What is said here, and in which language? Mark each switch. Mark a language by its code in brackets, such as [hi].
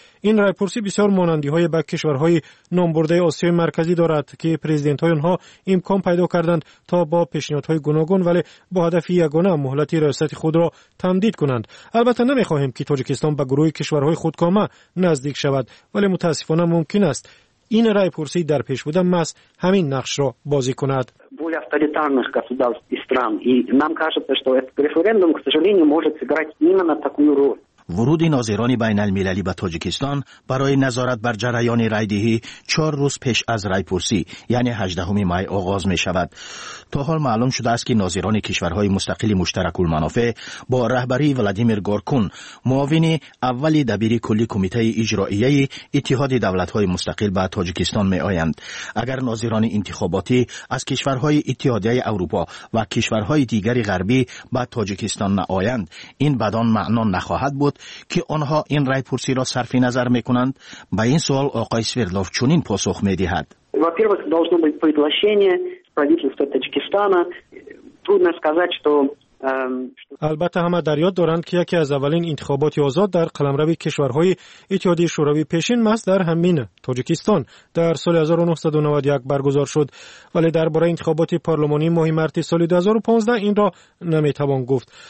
[fa] این رای پرسی بسیار مانندی های به کشورهای نامبرده آسیای مرکزی دارد که پرزیدنت های آنها امکان پیدا کردند تا با پیشنهادهای گوناگون ولی با هدف یگانه مهلت ریاست خود را تمدید کنند. البته نمیخواهیم که تاجیکستان به گروه کشورهای خودکامه نزدیک شود، ولی متاسفانه ممکن است این رای پرسی در پیش بوده مس همین نقش را بازی کند. [ru] Более авторитарных государств и стран. И нам кажется, что этот референдум, к сожалению, может сыграть именно такую роль. [fa] ورود ناظران بین المللی به تاجیکستان برای نظارت بر جریان رایدهی 4 روز پیش از رایپرسی یعنی 18 می آغاز می شود. تا حال معلوم شده است که ناظران کشورهای مستقل مشترک المنافع با رهبری ولادیمیر گورکون، معاون اول دبیر کلی کمیته اجرائیه اتحاد دولت‌های مستقل به تاجیکستان می آیند. اگر ناظران انتخاباتی از کشورهای اتحادیه اروپا و کشورهای دیگر غربی به تاجیکستان نآیند، این بدان معنا نخواهد بود که آنها این رای پرسی را صرف نظر می کنند. با این سوال آقای سویردلوف چنین پاسخ می دهد. [ru] Во-первых, должно быть приглашение правительства Таджикистана. Трудно сказать, что [fa] البته همه در یاد دارند که یکی از اولین انتخابات آزاد در قلمرو کشورهای اتحادیه شوروی پیشین محض در همین تاجیکستان در سال 1991 برگزار شد، ولی درباره انتخابات پارلمانی ماه مارس سال 2015 این را نمیتوان گفت.